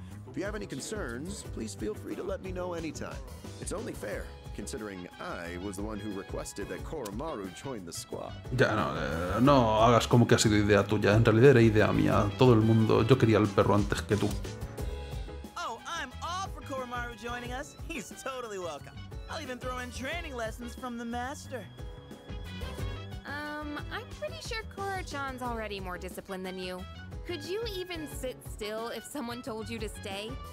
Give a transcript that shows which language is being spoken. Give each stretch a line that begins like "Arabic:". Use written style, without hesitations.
English: If you have any concerns, please feel free to let me know anytime. It's only fair. Considering I was the one who requested that Koromaru join the squad.
Spanish: Ya no, no hagas como que ha sido idea tuya. En realidad era idea mía. Todo el mundo, yo quería el perro antes que tú.
English: Oh, I'm all for Koromaru joining us. He's totally welcome. I'll even throw in training lessons from the master. I'm pretty sure Koro-chan's already more disciplined than you. Could you even sit still if someone told you to stay?